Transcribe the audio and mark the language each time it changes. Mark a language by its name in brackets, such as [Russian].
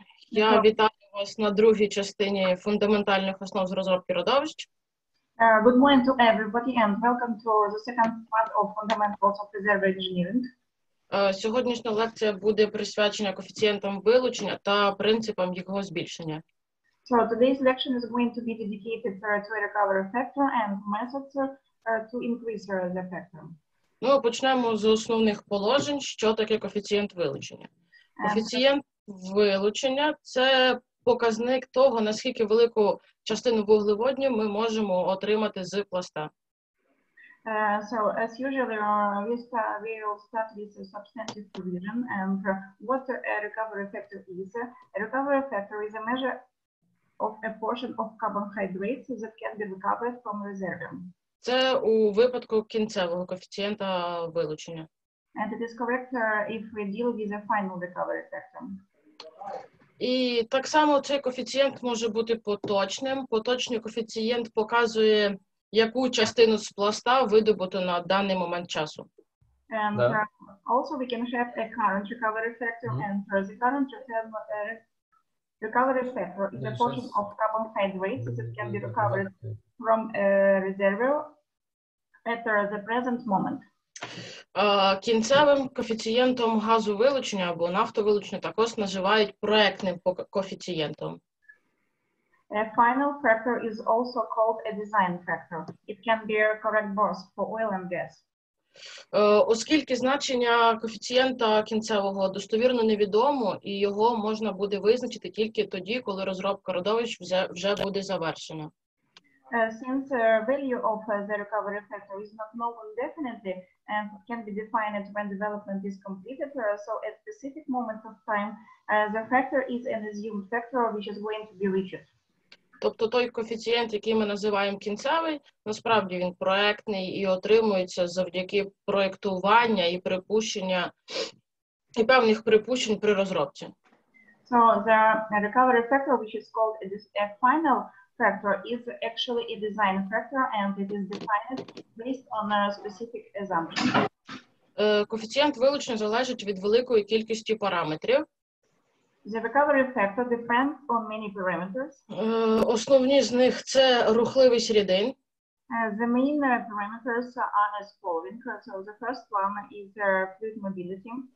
[Ukrainian] Я вітаю вас на другій частині фундаментальних основ з розробки родовищ. [English] Good morning to everybody and welcome to the second part of Fundamentals of Reserve Engineering. [Ukrainian] Сьогоднішня лекція буде присвячена коефіцієнтам вилучення та принципам їхнього збільшення. [English] So today's lecture is going to be dedicated to recovery factor and methods to increase the factor. [Ukrainian] Ну, почнемо з основних положень, що таке коефіцієнт вилучення. Коефіцієнт вилучення – це показник того, наскільки велику частину вуглеводнів ми можемо отримати з пласта. [English] So, as usually, we will start with a substantive provision. And what a recovery factor is? A recovery factor is a measure of a portion of carbon hydrates that can be recovered from reservium. [Ukrainian] Це у випадку кінцевого коефіцієнта вилучення. [English] And it is correct if we deal with a final recovery factor. [Ukrainian] І так само цей коефіцієнт може бути поточним. Поточний коефіцієнт показує, яку частину з пласта видобуто на даний момент часу. [English] And also we can have a current recovery factor and the current recovery factor is a portion of carbon hydrates that can be recovered from a reservoir at the present moment. [Ukrainian] Кінцевим коефіцієнтом газовилучення або нафтовилучення також називають проектним коефіцієнтом. [English] A final factor is also called a design factor. It can be a correct both for oil and gas. [Ukrainian] Оскільки значення коефіцієнта кінцевого достовірно невідомо, і його можна буде визначити тільки тоді, коли розробка родовищ вже буде завершена. [English] Since the value of the recovery factor is not known definitely and can be defined when development is completed, so at specific moments of time, the factor is an assumed factor which is going to be reached. [Ukrainian] Тобто той коефіцієнт, який ми називаємо кінцевий, насправді він проектний і отримується завдяки проєктування і припущення і певних припущень при розробці. [English] So the recovery factor, which is called a final factor, is actually a design factor and it is defined based on a specific assumption. [Ukrainian] Коефіцієнт вилучення залежить від великої кількості параметрів. [English] The recovery factor depends on many parameters. [Ukrainian] Основні з них – це рухливість рідин. [English] The main parameters are as following. So the first one is fluid mobility.